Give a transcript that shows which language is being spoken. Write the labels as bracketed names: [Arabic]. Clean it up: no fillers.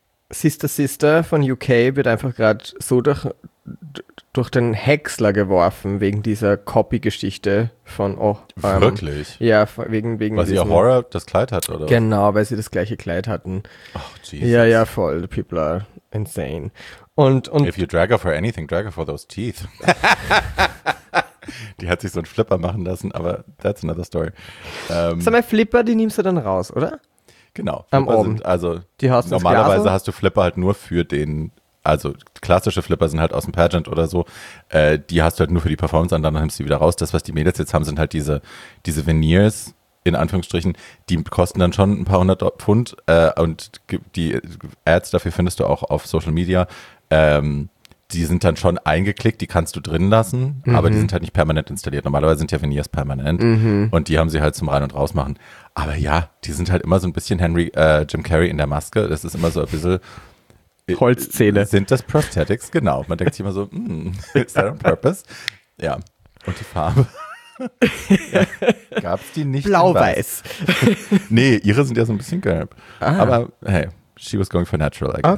[German] Sister Sister von UK wird einfach gerade so durch den Häcksler geworfen wegen dieser Copy-Geschichte von wirklich? Ja, wegen weil sie ihr Horror das Kleid hat, oder? Genau, weil sie das gleiche Kleid hatten. [English] Oh, Jesus. [German] Ja, ja, voll. [English] The people are insane. If you drag her for anything, drag her for those teeth. [German] Die hat sich so einen Flipper machen lassen, aber [English] that's another story. [German] Sag mal, Flipper, die nimmst du dann raus, oder? Genau. Am oben. Also, die hast du normalerweise hast du Flipper halt nur für den. Also klassische Flipper sind halt aus dem Pageant oder so, die hast du halt nur für die Performance an, dann nimmst du die wieder raus. Das, was die Mädels jetzt haben, sind halt diese Veneers, in Anführungsstrichen, die kosten dann schon ein paar hundert Pfund und die Ads dafür findest du auch auf Social Media, die sind dann schon eingeklickt, die kannst du drin lassen, aber die sind halt nicht permanent installiert. Normalerweise sind ja Veneers permanent und die haben sie halt zum Rein- und Rausmachen. Aber ja, die sind halt immer so ein bisschen Jim Carrey in der Maske, das ist immer so ein bisschen... Holzzähne. Sind das Prosthetics? Genau. Man denkt sich immer so, [English] is that on purpose? [German] Ja. Und die Farbe? Ja. Gab es die nicht? Blau-weiß. Nee, ihre sind ja so ein bisschen gelb. Ah. Aber [English] hey, she was going for natural, I guess.